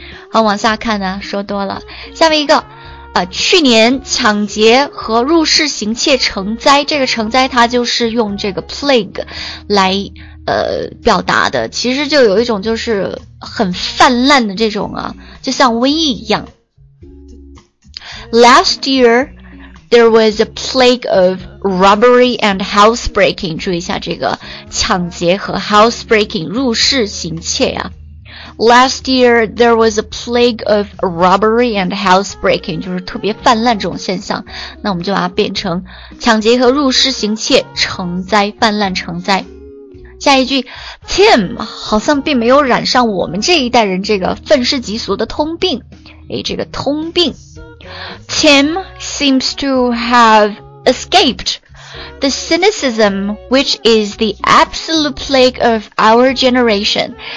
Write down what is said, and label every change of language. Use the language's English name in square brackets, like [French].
[Chinese] 好，往下看呢，说多了，下面一个，去年抢劫和入室行窃成灾，这个成灾它就是用这个 plague 来，表达的，其实就有一种就是很泛滥的这种啊，就像瘟疫一样。 [English] Last year, there was a plague of robbery and housebreaking. [Chinese] 注意一下这个抢劫和 [English] housebreaking [Chinese] 入室行窃呀、 [English] Last year, there was a plague of robbery and housebreaking. [Chinese] 就是特别泛滥这种现象。那我们就把它变成抢劫和入室行窃成灾，泛滥成灾。下一句，Tim 好像并没有染上我们这一代人这个愤世嫉俗的通病。诶，这个通病。 [English] Tim seems to have escaped the cynicism, which is the absolute plague of our generation.